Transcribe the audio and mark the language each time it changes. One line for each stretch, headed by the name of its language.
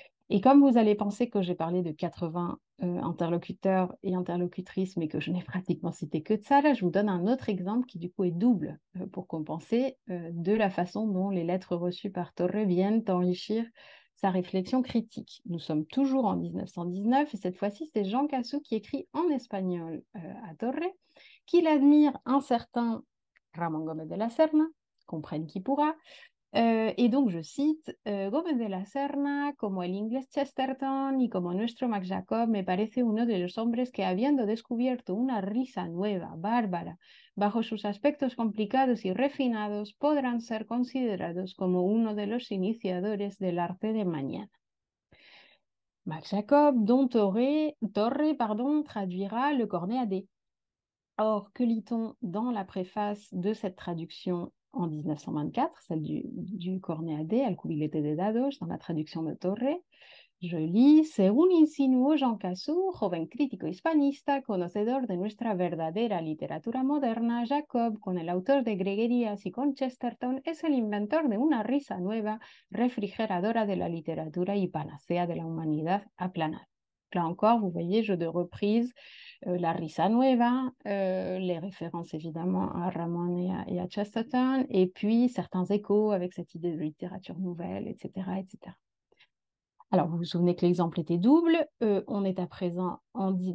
French: Et comme vous allez penser que j'ai parlé de 80 interlocuteurs et interlocutrices, mais que je n'ai pratiquement cité que de ça, là, je vous donne un autre exemple qui, du coup, est double pour compenser de la façon dont les lettres reçues par Torre viennent enrichir sa réflexion critique. Nous sommes toujours en 1919 et cette fois-ci, c'est Jean Cassou qui écrit en espagnol à Torre qu'il admire un certain Ramón Gómez de la Serna, comprenne qui pourra. Et donc, je cite,
Spanish: Gómez de la Serna, como el inglés Chesterton y como nuestro Max Jacob, me parece uno de los hombres que, habiendo descubierto una risa nueva, bárbara, bajo sus aspectos complicados y refinados, podrán ser considerados como uno de los iniciadores del arte de mañana.
French: Max Jacob, dont Torre, traduira le cornet à D. Or, que lit-on dans la préface de cette traduction? En 1924, celle du cornet à D, El cubilete de dados, dans la traduction de Torre, je lis:
Spanish: Según insinuó Jean Cassou, joven crítico hispanista, conocedor de nuestra verdadera literatura moderna, Jacob, con el autor de Greguerías y con Chesterton, es el inventor de una risa nueva, refrigeradora de la literatura y panacea de la humanidad aplanada.
French: Là encore, vous voyez, jeu de reprise,
Spanish: la risa nueva,
French: les références évidemment à Ramon et à Chesterton, et puis certains échos avec cette idée de littérature nouvelle, etc., etc. Alors, vous vous souvenez que l'exemple était double. On est à présent en dit.